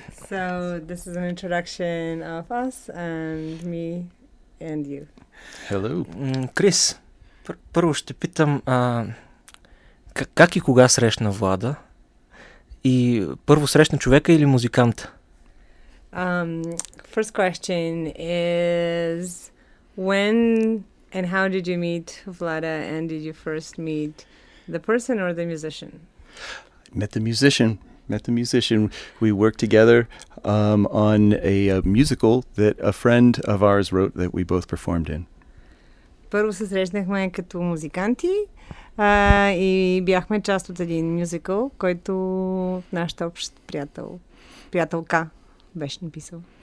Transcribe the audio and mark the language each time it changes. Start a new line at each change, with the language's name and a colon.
English: So, this is an introduction of us and me and you. Hello.
Bulgarian: Крис, първо ще питам как и кога срещна Влада? И първо срещна човека или музиканта?
English: First question is when and how did you meet Влада and did you first meet the person or the musician? Met the musician. We worked together on a musical that a friend of ours wrote that we both performed in.
Bulgarian: Първо се срещнахме като музиканти и бяхме част от един мюзикъл, който нашата общ приятелка беше написал.